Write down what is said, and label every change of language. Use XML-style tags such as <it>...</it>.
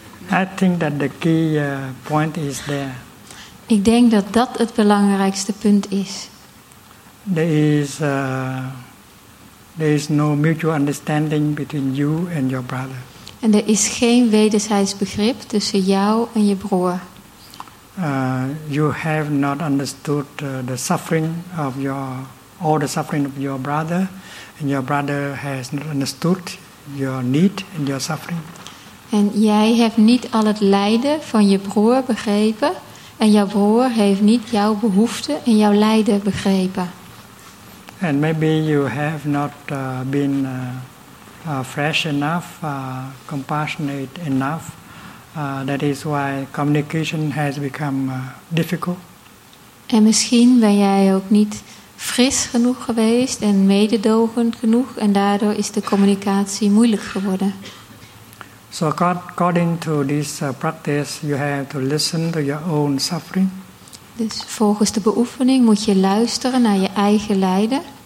<en>I think that the key point is there.</en> <nl>Ik denk dat dat het belangrijkste punt is.</nl> <en>there is no mutual understanding between you and your brother.</en> <nl>En er is geen wederzijds begrip tussen jou en je broer.</nl> <en>You have not understood the suffering of your all the suffering of your brother, and your brother has not understood your need and your suffering.</en> <nl>En jij hebt niet al het lijden van je broer begrepen, en jouw broer heeft niet jouw behoefte en jouw lijden begrepen.</nl> <en>And maybe you have not been fresh enough, compassionate enough. That is why communication has become difficult.</en> <nl>En misschien ben jij ook niet fris genoeg geweest en mededogend genoeg, en daardoor is de communicatie moeilijk geworden.</nl> <en>So according to this practice, you have to listen to your own suffering.</en> <nl>Dus volgens de beoefening moet je luisteren naar je eigen lijden.</nl>